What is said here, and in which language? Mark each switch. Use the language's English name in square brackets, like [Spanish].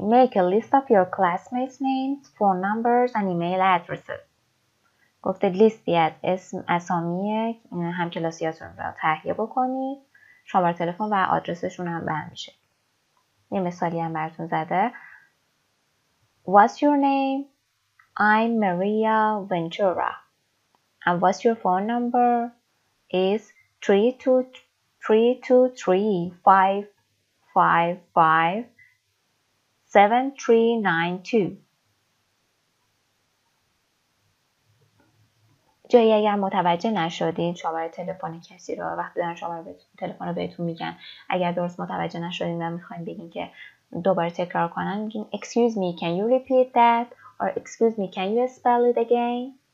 [English] Make a list of your classmates' names, phone numbers, and email addresses. [Persian] گفته لیستی از اسم اسامی همکلاسیاتون رو تهیه بکنی. شماره تلفن و آدرسشون هم برمیشه. یه مثالی هم براتون زده. [English] What's your name? I'm Maria Ventura. And what's your phone number? Is 3223557392. [Persian] جایی اگر متوجه نشدید شماره تلفن کسی رو، وقتی دارن شماره تلفن رو بهتون میگن، اگر درست متوجه نشدید و میخواین بگین که دوباره تکرار کنن، میگین [English] Excuse me, can you repeat that? Or excuse me, can you spell it again?